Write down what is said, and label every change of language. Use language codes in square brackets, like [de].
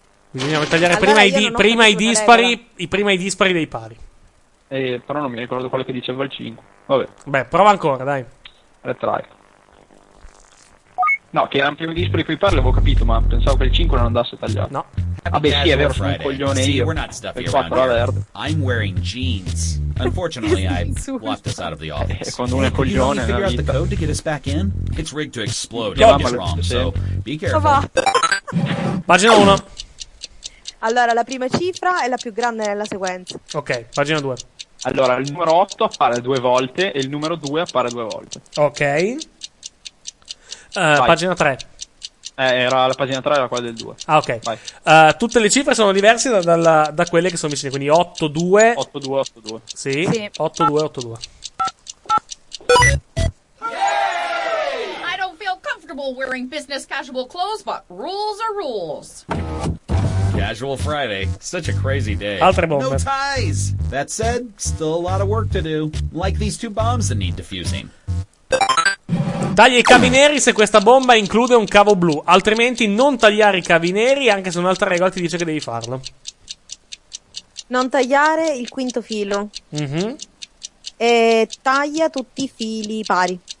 [it] Bisogna tagliare allora prima, prima i dispari i prima i dispari dei pari. Però non mi ricordo quello che diceva il 5. Vabbè. Beh, prova ancora, dai. [en] Retry. [it] No, che erano prima i dispari di cui parlo, avevo capito, ma pensavo che il 5 non andasse tagliato. No. Vabbè, sì, è vero, sono un coglione io. Il 4 è verde. [en] I'm wearing jeans. Unfortunately, I left us out of the office. [it] Quando uno è coglione, [en] you figure out the code to get us back in? It's rigged to explode. If I'm wrong, so be careful. [it] Pagina 1. Allora, la prima cifra è la più grande nella sequenza. Ok, pagina 2. Allora, il numero 8 appare due volte e il numero 2 appare due volte. Ok. Pagina 3. Era la pagina 3, era quella del 2. Ah, ok. Tutte le cifre sono diverse da quelle che sono vicine. Quindi 8, 2. 8, 2, 8, 2. Sì, sì. 8, 2, 8, 2. [en] Yay! I don't feel comfortable wearing business casual clothes, but rules are rules. Casual Friday, such a crazy day. [it] Altre bombe. [en] No ties. That said, still a lot of work to do. Like these two bombs that need defusing. [it] Taglia i cavi neri se questa bomba include un cavo blu, altrimenti non tagliare i cavi neri anche se un'altra regola ti dice che devi farlo. Non tagliare il quinto filo. Mm-hmm. E taglia tutti i fili pari.